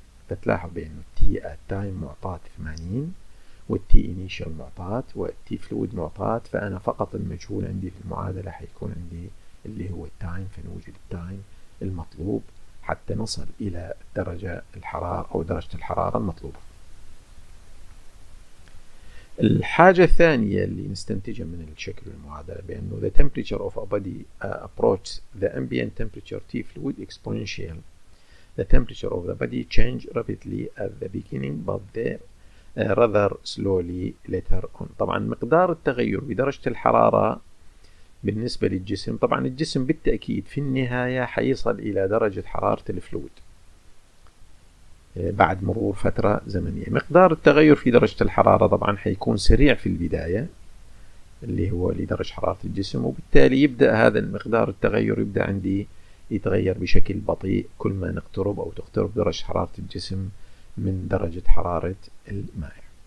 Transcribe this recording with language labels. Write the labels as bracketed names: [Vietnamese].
[Arabic] فتلاحظ بأن T at time معطاة 80، والT initial معطاة، والT fluid معطاة، فأنا فقط المجهول عندي في المعادلة حيكون عندي اللي هو التايم، فنوجد التايم المطلوب حتى نصل إلى درجة الحرارة أو درجة الحرارة المطلوبة. الحاجة الثانية اللي نستنتجها من الشكل المعادلة بأنه [English] the temperature of a body approaches the ambient temperature T fluid exponential. The temperature of the body changes rapidly at the beginning but there rather slowly later on. [Arabic] طبعا مقدار التغير بدرجة الحرارة بالنسبة للجسم، طبعا الجسم بالتأكيد في النهاية حيصل إلى درجة حرارة الفلويد بعد مرور فترة زمنية. مقدار التغير في درجة الحرارة طبعا حيكون سريع في البداية اللي هو لدرجة حرارة الجسم، وبالتالي يبدأ هذا المقدار التغير يبدأ عندي يتغير بشكل بطيء كل ما نقترب أو تقترب درجة حرارة الجسم من درجة حرارة المائع.